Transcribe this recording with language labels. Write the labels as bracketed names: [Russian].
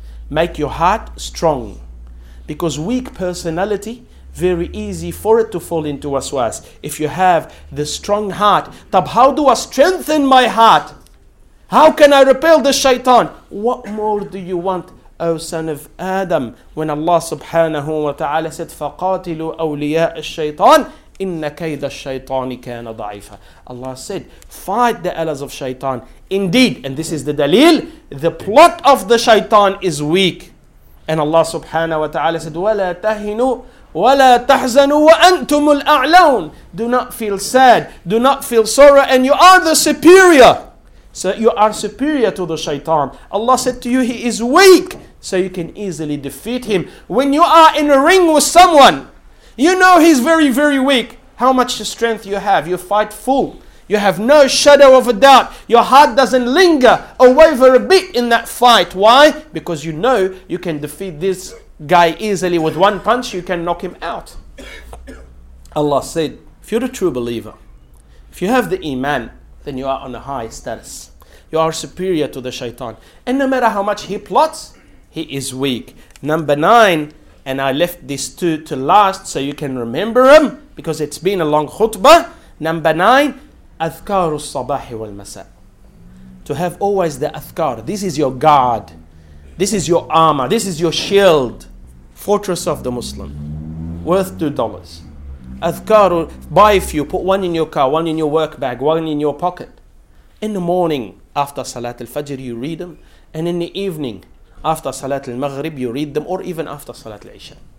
[English] Make your heart strong. Because weak personality, very easy for it to fall into waswas. If you have the strong heart, tab, how do I strengthen my heart? How can I repel the shaitan? What more do you want, O son of Adam? When Allah subhanahu wa ta'ala said, [Arabic] فَقَاتِلُوا أَوْلِيَاءَ الشَّيْطَانِ إِنَّ كَيْدَ الشَّيْطَانِ كَانَ ضَعِيفًا. [English] Allah said, fight the allies of shaitan. Indeed, and this is the dalil, the plot of the shaitan is weak. And Allah subhanahu wa ta'ala said, [Arabic] وَلَا تَهِنُوا وَلَا تَحْزَنُوا وَأَنْتُمُ الْأَعْلَوْنَ. [English] Do not feel sad, do not feel sorrow, and you are the superior. So you are superior to the shaitan. Allah said to you, he is weak, so you can easily defeat him. When you are in a ring with someone, you know he's very, very weak. How much strength you have? You fight full. You have no shadow of a doubt. Your heart doesn't linger or waver a bit in that fight. Why? Because you know you can defeat this guy easily with one punch. You can knock him out. Allah said, if you're a true believer, if you have the iman, then you are on a high status. You are superior to the shaitan. And no matter how much he plots, he is weak. Number 9, and I left these two to last so you can remember them, because it's been a long khutbah. Number 9, [Arabic] أذكار الصباح والمساء. [English] To have always the أذكار. This is your guard. This is your armor. This is your shield. Fortress of the Muslim. Worth $2. Adhkar, buy a few, put one in your car, one in your work bag, one in your pocket. In the morning, after Salat al-Fajr, you read them. And in the evening, after Salat al-Maghrib, you read them. Or even after Salat al-Isha.